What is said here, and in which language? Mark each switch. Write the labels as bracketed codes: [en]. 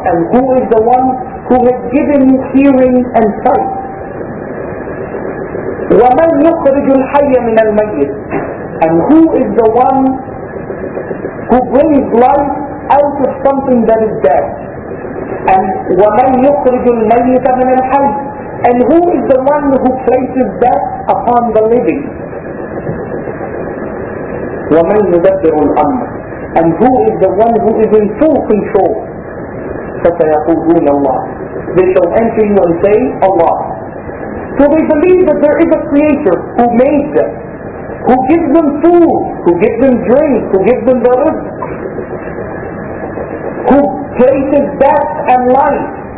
[en] And who is the one who has given you hearing and sight? [ar] وَمَنْ يُخْرِجُ الْحَيَّ مِنَ الْمَيِّتِ. [en] And who is the one who brings life out of something that is dead? [ar] And وَمَنْ يُخْرِجُ الْمَيِّتَ مِنَ الْحَيِّ. [en] And who is the one who places death upon the living? [ar] وَمَنْ يُدَبِّرُ الْأَمْرَ. [en] And who is the one who is in full control? [ar] فَسَيَقُولُونَ اللَّهُ. [en] They shall enter you and say, Allah. So they believe that there is a creator who made them, who gives them food, who gives them drink, who gives them the rizq, who places death and life.